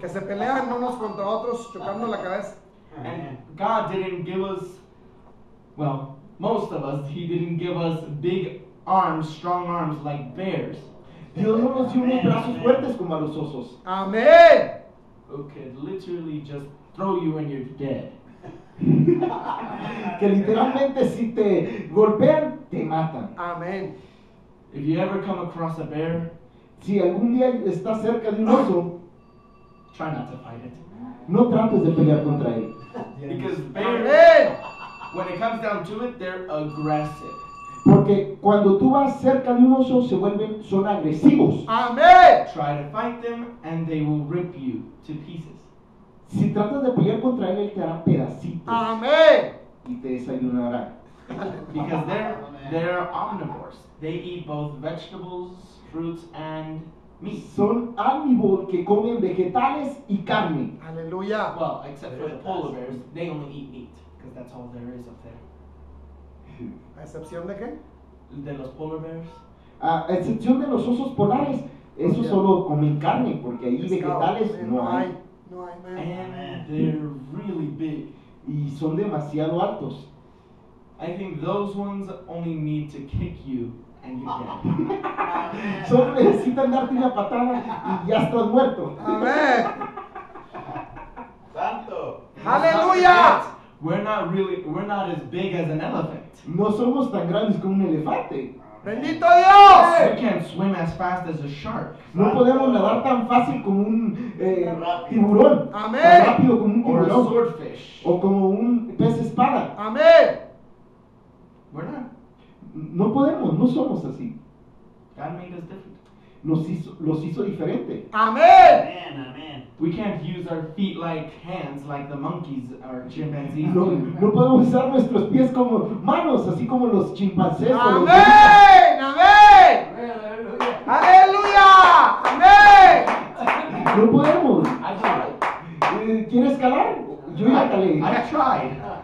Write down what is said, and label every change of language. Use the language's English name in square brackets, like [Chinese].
[Spanish] que se pelean unos contra otros chocando la cabeza. [English] And God didn't give us, well, most of us, he didn't give us big arms, strong arms like bears. [Spanish] Dios no nos dio unos brazos fuertes como a los osos. Amén. [English] Okay, literally just throw you and you're dead. [Spanish] Que literalmente si te golpean, te matan. Amén. [English] If you ever come across a bear, [Spanish] si algún día estás cerca de un oso, [English] try not to fight it. [Spanish] No trates de pelear contra él. [English] Because bears, when it comes down to it, they're aggressive. [Spanish] Porque cuando tú vas cerca de un oso, se vuelven, son agresivos. Amén. [English] Try to fight them and they will rip you to pieces. [Spanish] Si tratas de pelear contra él, él te hará pedacitos. Amén. Y te desayunará. [English] Because they're omnivores. They eat both vegetables, fruits, and meat. [Spanish] Son omnívoros que comen vegetales y carne. Aleluya. [English] Well, except for the polar bears, they only eat meat. Because that's all there is up there. [Spanish] ¿A excepción de qué? De los [English] polar bears. [Spanish] A excepción de los osos polares. Esos solo comen carne, porque ahí vegetales no hay. No hay, man. [English] And they're really big. [Spanish] Y son demasiado altos. [English] I think those ones only need to kick you and you're dead. [Spanish] Solo necesitan darte una patada y ya estás muerto. Amén. Santo. Aleluya. [English] We're not as big as an elephant. [Spanish] No somos tan grandes como un elefante. Bendito Dios. [English] We can't swim as fast as a shark. [Spanish] No podemos nadar tan fácil como un tiburón. Amén. Tan rápido como un tiburón. [English] Or a swordfish. [Spanish] O como un pez espada. Amén. [English] We're not. [Spanish] No podemos, no somos así. [English] God made us different. [Spanish] Los hizo diferente. Amén. [English] Amen, amen. We can't use our feet like hands like the monkeys or chimpanzees. [Spanish] No podemos usar nuestros pies como manos, así como los chimpancés. Amén. O los amén. Amén. Aleluya. Amén. No podemos. [English] I tried. [Spanish] ¿Quieres escalar? Yo ya calé. [English] I tried.